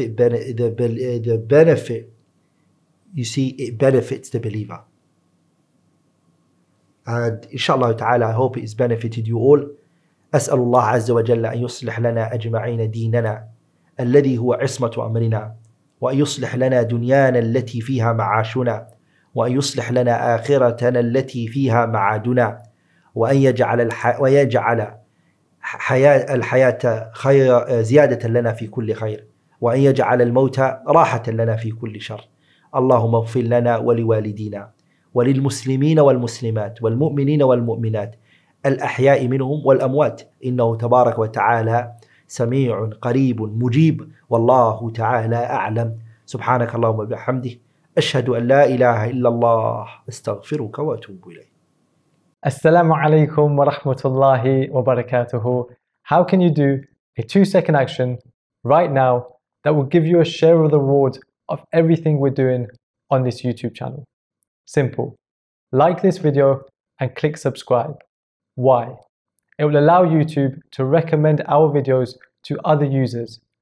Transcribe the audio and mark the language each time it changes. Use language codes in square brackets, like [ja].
[en] The benefit, you see, it benefits the believer. And inshallah ta'ala, I hope it has benefited you all. [ar] أسأل الله عز وجل أن يصلح لنا أجمعين ديننا الذي هو عصمة أمرنا وأن يصلح لنا دنيانا التي فيها معاشنا وأن يصلح لنا آخرتنا التي فيها معادنا وأن يجعل الحياة خير زيادة لنا في كل خير وأن يجعل الموت راحة لنا في كل شر. اللهم اغفر لنا ولوالدينا وللمسلمين والمسلمات والمؤمنين والمؤمنات الأحياء منهم والأموات إنه تبارك وتعالى سميع قريب مجيب والله تعالى أعلم. سبحانك اللهم وبحمدك أشهد أن لا إله إلا الله استغفرك وأتوب إليك. السلام عليكم ورحمة الله وبركاته. [en] How can you do a 2-second action right now that will give you a share of the reward of everything we're doing on this YouTube channel? Simple. Like this video and click subscribe. Why? It will allow YouTube to recommend our videos to other users.